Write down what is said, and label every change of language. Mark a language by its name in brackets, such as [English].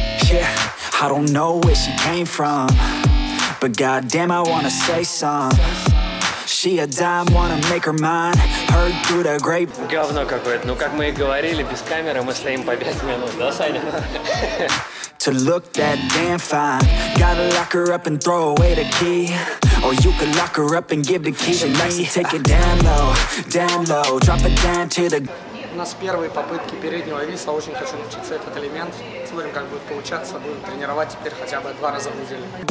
[English] Yeah, I don't know where she came from. But goddamn, I wanna say some. She a dime, wanna make her mine. Heard through the grape. [Russian] Говно какое-то. Ну как мы и говорили, без камеры мы стоим по 5 минут, да, Саня? [English] To look that damn fine. Gotta lock her up and throw away the key. Or you could lock her up and give the key. She likes to take it down low, drop it down to the. [Russian] У нас первые попытки переднего виса, очень хочу научиться этот элемент. Смотрим, как будет получаться, будем тренировать теперь хотя бы 2 раза в неделю.